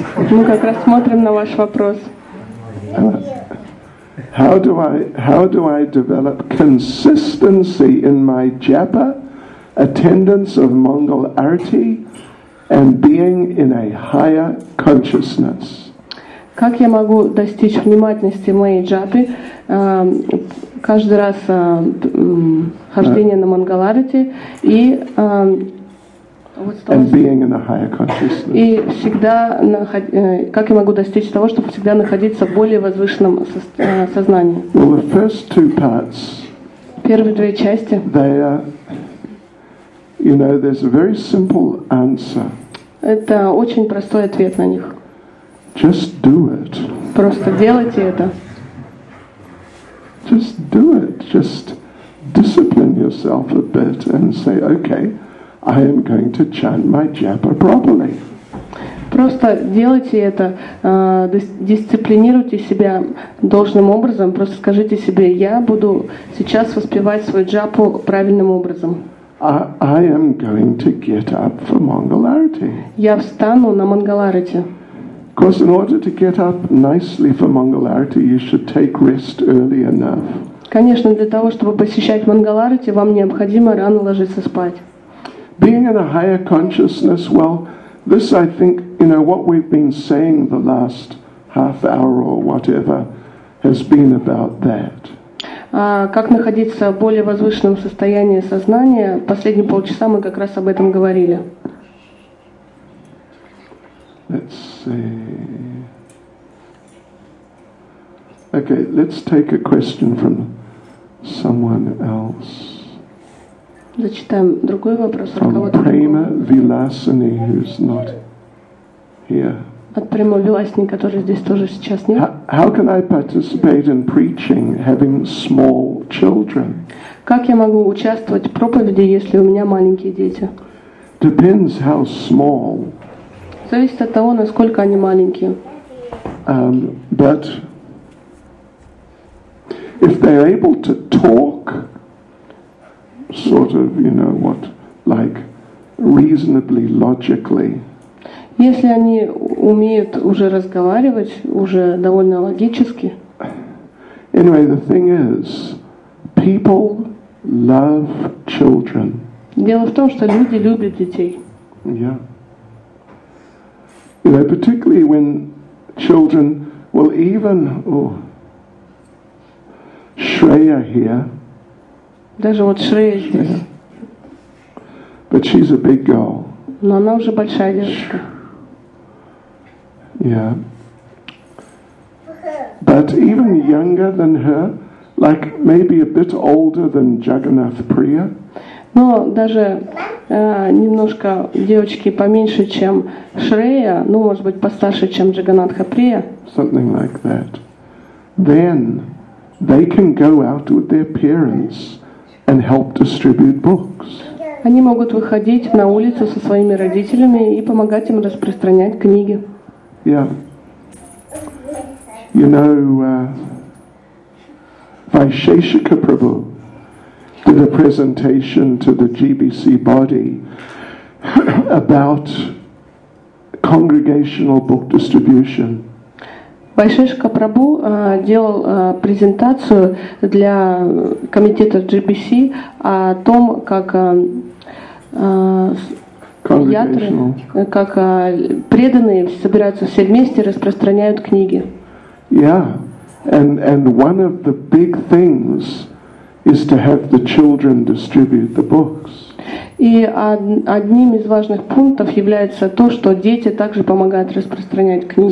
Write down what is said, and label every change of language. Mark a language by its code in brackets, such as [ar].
[ru] Мы как раз смотрим на ваш вопрос. [en] How do I develop consistency in my japa, attendance of Mangal Arati, and being in a higher consciousness? [ru] Как я могу достичь внимательности моей джапы, каждый раз хождение на Мангал Арати и [en] And being in a higher consciousness. [ru] И всегда как я могу достичь того, чтобы всегда находиться в более возвышенном сознании? [en] Well, the first two parts. [ru] Первые две части. [en] They are, you know, there's a very simple answer. [ru] Это очень простой ответ на них. [en] Just do it. [ru] Просто делайте это. [en] Just do it. Just discipline yourself a bit and say, okay. I am going to chant my japa properly. [ru] Просто делайте это, дисциплинируйте себя должным образом, просто скажите себе, я буду сейчас воспевать свою джапу правильным образом. [en] I am going to get up for Mangal Arati. [ru] Я встану на Мангал Арати. [en] Of course, in order to get up nicely for Mangal Arati, you should take rest early enough. [ru] Конечно, для того, чтобы посещать Мангал Арати, вам необходимо рано ложиться спать. [en] Being in a higher consciousness, well, this I think, you know, what we've been saying the last half hour or whatever has been about that. [ru] Как находиться в более возвышенном состоянии сознания, последние полчаса мы как раз об этом говорили. [en] Let's see. Okay, let's take a question from someone else. [ru] Зачитаем другой вопрос от [en] Према Виласани, who's not here. [ru] От Према Виласани, который здесь тоже сейчас нет. [en] How can I participate in preaching having small children? [ru] Как я могу участвовать в проповеди, если у меня маленькие дети? [en] Depends how small. [ru] Зависит от того, насколько они маленькие. [en] But if they're able to talk. Sort of, you know, what, like, reasonably, logically. [ru] Если они умеют уже разговаривать, уже довольно логически. [en] Anyway, the thing is, people love children. [ru] Дело в том, что люди любят детей. [en] Yeah. You know, particularly when children Well, even Shreya here. [ru] Даже вот Shreya здесь. [en] But she's a big girl. [ru] Но она уже большая девочка. [en] Yeah. But even younger than her, like maybe a bit older than Jagannath Priya. [ru] Но даже немножко девочки поменьше, чем Шрея, ну, может быть, постарше, чем Джаганнатха Прия. [en] Something like that. Then they can go out with their parents and help distribute books. [ru] Они могут выходить на улицу со своими родителями и помогать им распространять книги. [en] Yeah. You know, Vaisheshika Prabhu did a presentation to the GBC body about congregational book distribution. [ru] Vaisheshika Prabhu делал презентацию для комитета GBC о том, как преданные собираются все вместе и распространяют книги. [en] Yeah, and one of the big things is to have the children distribute the books. [ru] И одним из важных пунктов является то, что дети также помогают распространять книги.